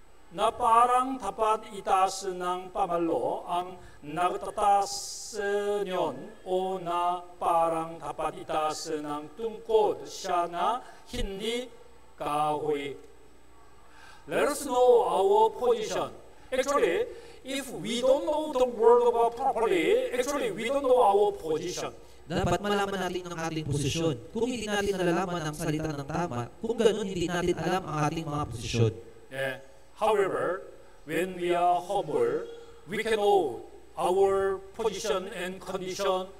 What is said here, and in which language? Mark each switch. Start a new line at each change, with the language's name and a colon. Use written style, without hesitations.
Filipino: na parang dapat itaas ng pamalo ang nagtataas nyon o na parang dapat itaas ng tungkod siya na hindi kahoy.
English: Let us know our position. Actually, if we don't know the word of God properly, actually, we don't know our position.
Filipino: Dapat malaman natin ang ating posisyon. Kung hindi natin nalalaman ang salita ng tama, kung ganun hindi natin alam ang ating mga posisyon. Yeah.
English: However, when we are humble, we can know our position and condition.